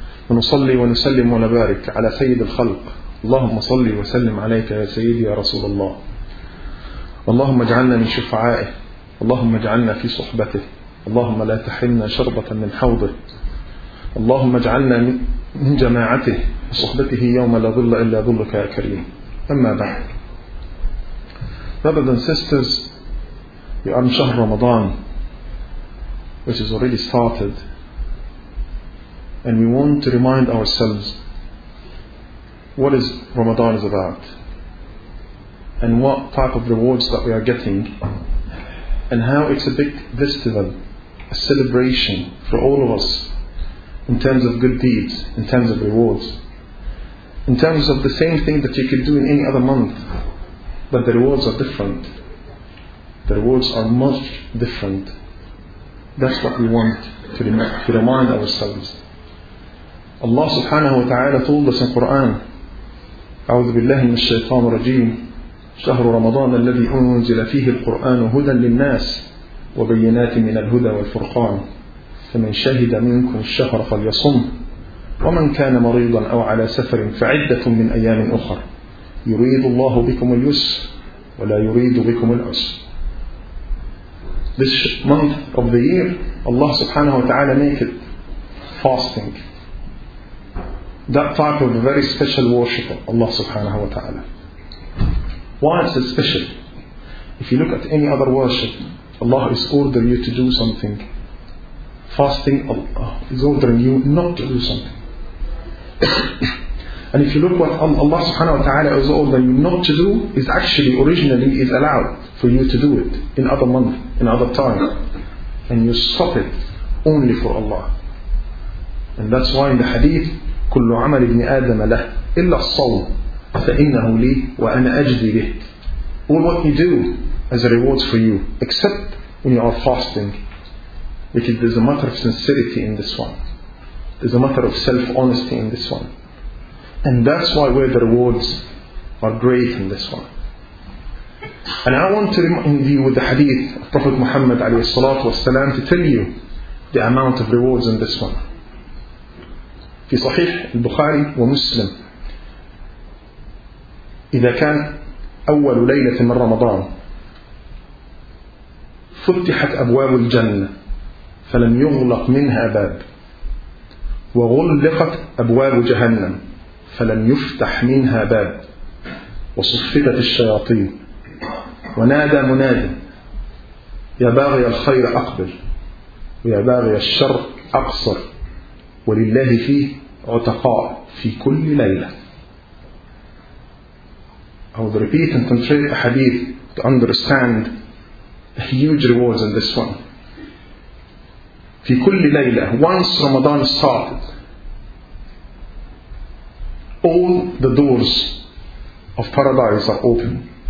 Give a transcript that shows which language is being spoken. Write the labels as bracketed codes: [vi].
[ar] ونصلي ونسلم ونبارك على سيد الخلق، اللهم صلي وسلم عليك يا سيدي يا رسول الله، اللهم اجعلنا من شفعائه، اللهم اجعلنا في صحبته، اللهم لا تحرمنا شربة من حوضه، اللهم اجعلنا من جماعته وصحبته يوم لا ظل إلا ظلك يا كريم. أما بعد، [en] brothers and sisters, you are in شهر رمضان which is already started, and we want to remind ourselves what is Ramadan is about and what type of rewards that we are getting and how it's a big festival, a celebration for all of us in terms of good deeds, in terms of rewards, in terms of the same thing that you could do in any other month, but the rewards are different. The rewards are much different. That's what we want to remind ourselves. Allah subhanahu wa ta'ala told us in Quran, [ar] أعوذ بالله من الشيطان الرجيم شهر رمضان الذي أنزل فيه القرآن هدى للناس وبينات من الهدى والفرقان فمن شهد منكم الشهر فليصم ومن كان مريضا أو على سفر فعدة من أيام أخر يريد الله بكم اليسر ولا يريد بكم العسر. [en] This month of the year, Allah subhanahu wa ta'ala make it fasting, that type of a very special worship of Allah subhanahu wa ta'ala. Why is it special? If you look at any other worship, Allah is ordering you to do something. Fasting, Allah is ordering you not to do something. And if you look what Allah subhanahu wa ta'ala is ordering you not to do, is actually originally is allowed for you to do it in other month, in other time. And you stop it only for Allah. And that's why in the hadith, [ar] كل عمل ابن آدم له إلا الصوم فإنه لي وأنا أجزي به. [en] All what you do as a reward for you, except when you are fasting, because there's a matter of sincerity in this one. There's a matter of self-honesty in this one. And that's why where the rewards are great in this one. And I want to remind you with the hadith of Prophet Muhammad alayhi salatu wasalam to tell you the amount of rewards in this one. [ar] في صحيح البخاري ومسلم إذا كان أول ليلة من رمضان فتحت أبواب الجنة فلم يغلق منها باب وغلقت أبواب جهنم فلم يفتح منها باب وصفتت الشياطين ونادى مناد يا باغي الخير أقبل ويا باغي الشر أقصر ولله فيه عتقاء في كل ليلة. [en] I would repeat and translate a hadith to understand the huge rewards in this one. [ar] في كل ليلة, [en] once Ramadan started, all the doors of paradise are open.